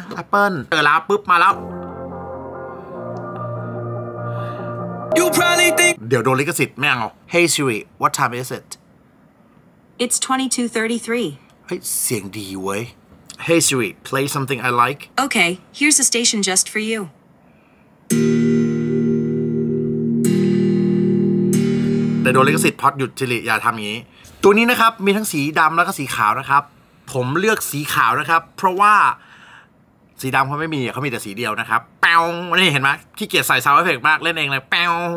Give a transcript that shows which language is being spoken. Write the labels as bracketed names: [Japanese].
[Thai] Apple เจอแล้วปึ๊บมาแล้ว [English] You probably think [Thai] เดี๋ยวโดนลิขสิทธิ์แม่งเหรอ [English] Hey Siri what time is it It's 22:33 [Thai] เฮ้ยเสียงดีเว้ย [English] Hey Siri play something I like Okay here's a station just for you [Thai] แต่โดนลิขสิทธิ์พอดหยุดจิริอย่าทำอย่างนี้ตัวนี้นะครับมีทั้งสีดำแล้วก็สีขาวนะครับผมเลือกสีขาวนะครับเพราะว่าสีดำเขาไม่มีเขามีแต่สีเดียวนะครับแป้วนี่เห็นไหมขี้เกียจใส่ซาวด์เอฟเฟกต์มากเล่นเองเลยแป้ว